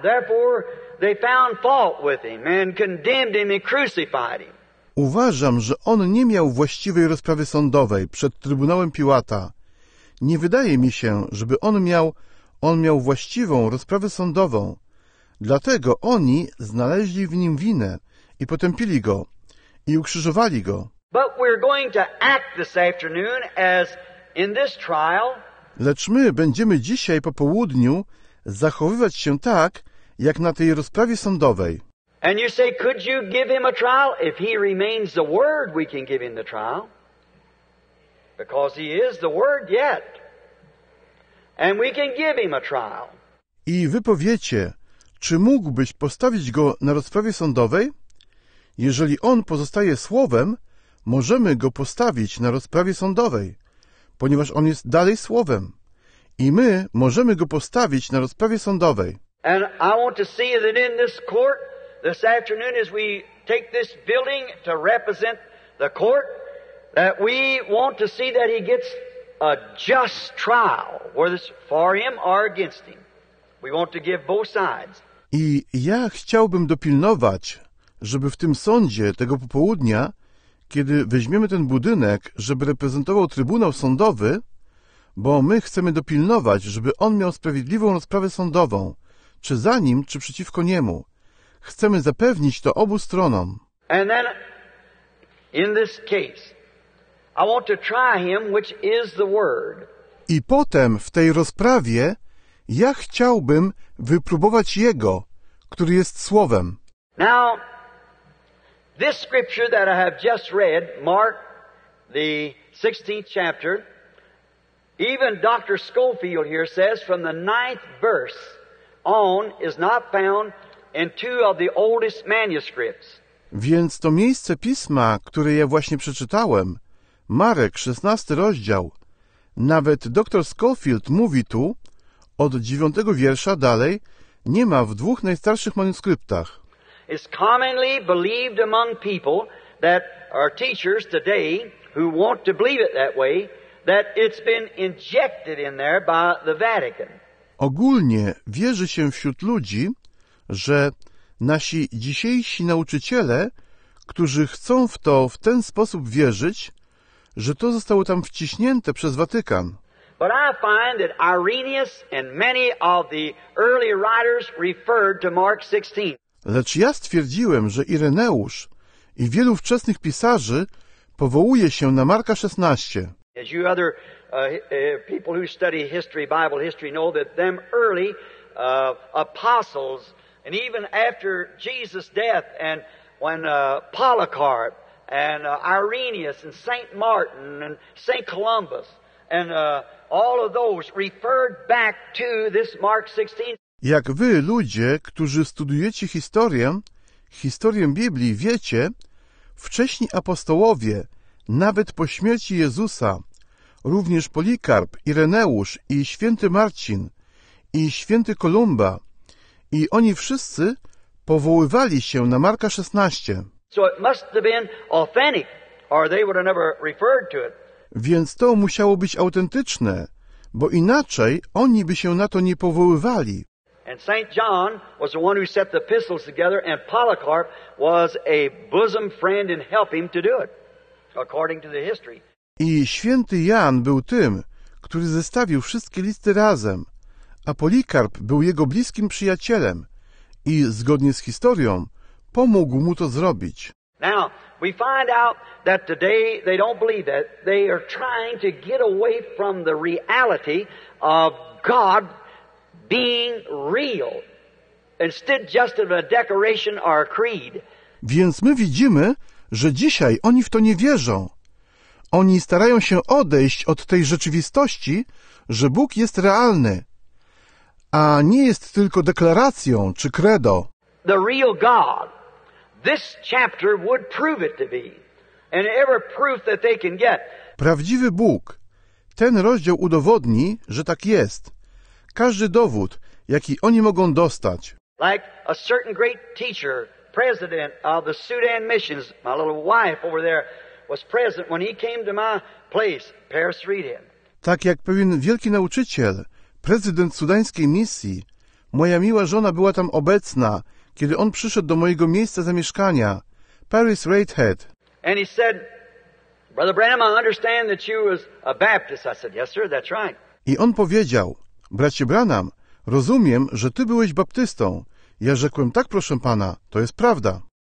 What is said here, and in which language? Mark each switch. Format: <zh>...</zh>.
<en>Therefore, they found fault with him and condemned him and crucified him.</en> <pl>Uważam, że on nie miał właściwej rozprawy sądowej przed Trybunałem Piłata. Nie wydaje mi się, żeby on miał właściwą rozprawę sądową. Dlatego oni znaleźli w nim winę i potępili go i ukrzyżowali go.</pl> <en>But we're going to act this afternoon as in this trial.</en> <pl>Lecz my będziemy dzisiaj po południu zachowywać się tak, jak na tej rozprawie sądowej.</pl> <en>And you say, could you give him a trial? If he remains the Word, we can give him the trial. Because he is the Word yet. And we can give him a trial.</en> <pl>I wy powiecie, czy mógłbyś postawić go na rozprawie sądowej? Jeżeli on pozostaje Słowem, możemy go postawić na rozprawie sądowej, ponieważ on jest dalej Słowem. I my możemy go postawić na rozprawie sądowej.</pl> <en>And I want to see that in this court, this afternoon, as we take this building to represent the court, that we want to see that he gets a just trial, whether it's for him or against him. We want to give both sides.</en> <pl>I ja chciałbym dopilnować, żeby w tym sądzie tego popołudnia, kiedy weźmiemy ten budynek, żeby reprezentował Trybunał Sądowy, bo my chcemy dopilnować, żeby on miał sprawiedliwą rozprawę sądową, czy za nim, czy przeciwko niemu. Chcemy zapewnić to obu stronom.</pl> <en>And then, in this case, I want to try him, which is the Word.</en> <pl>I potem, w tej rozprawie, ja chciałbym wypróbować Jego, który jest Słowem.</pl> <en>Now, this scripture that I have just read, Mark, the 16th chapter, even Dr. Schofield here says, from the 9th verse on, is not found in two of the oldest manuscripts.</en> <pl>Więc to miejsce pisma, które ja właśnie przeczytałem, Marek, 16 rozdział, nawet dr Schofield mówi tu, od 9 wiersza dalej, nie ma w dwóch najstarszych manuskryptach.</pl> <en>It's commonly believed among people that are teachers today who want to believe it that way, that it's been injected in there by the Vatican.</en> <pl>Ogólnie wierzy się wśród ludzi, że nasi dzisiejsi nauczyciele, którzy chcą w to w ten sposób wierzyć, że to zostało tam wciśnięte przez Watykan.</pl> <en>But I find that Irenaeus and many of the early writers referred to Mark 16.</en> <pl>Lecz ja stwierdziłem, że Ireneusz i wielu wczesnych pisarzy powołuje się na Marka 16.</pl> <en>As you other people who study history, Bible history, know that them early apostles, and even after Jesus' death, and when Polycarp, and Irenaeus, and St. Martin, and St. Columbus, and all of those referred back to this Mark 16.</en> <pl>Jak wy, ludzie, którzy studiujecie historię, historię Biblii, wiecie, wcześni apostołowie, nawet po śmierci Jezusa, również Polikarp, Ireneusz i święty Marcin, i święty Kolumba, i oni wszyscy powoływali się na Marka 16.</pl> <en>So it must have been authentic, or they would have never referred to it.</en> <pl>Więc to musiało być autentyczne, bo inaczej oni by się na to nie powoływali.</pl> <en>And St. John was the one who set the epistles together, and Polycarp was a bosom friend in helping to do it, according to the history.</en> <pl>I święty Jan był tym, który zestawił wszystkie listy razem, a Polikarp był jego bliskim przyjacielem i, zgodnie z historią, pomógł mu to zrobić.</pl> <en>Now, we find out that today they don't believe that. They are trying to get away from the reality of God being real, instead just of a decoration or a creed.</en> <pl>Więc my widzimy, że dzisiaj oni w to nie wierzą. Oni starają się odejść od tej rzeczywistości, że Bóg jest realny, a nie jest tylko deklaracją czy credo.</pl> <en>The real God. This chapter would prove it to be. And every proof that they can get.</en> <pl>Prawdziwy Bóg. Ten rozdział udowodni, że tak jest. Każdy dowód, jaki oni mogą dostać.</pl> <en>Like a certain great teacher, president of the Sudan Missions, my little wife over there, was present when he came to my place, Paris Reading.</en> <pl>Tak jak pewien wielki nauczyciel, prezydent sudańskiej misji, moja miła żona była tam obecna, kiedy on przyszedł do mojego miejsca zamieszkania, Paris Reithead.</pl> <en>And he said, Brother Branham, I understand that you was a Baptist. I said, yes, sir, that's right.</en> <pl>I on powiedział, bracie Branham, rozumiem, że ty byłeś baptystą. Ja rzekłem, tak, proszę pana, to jest prawda.</pl>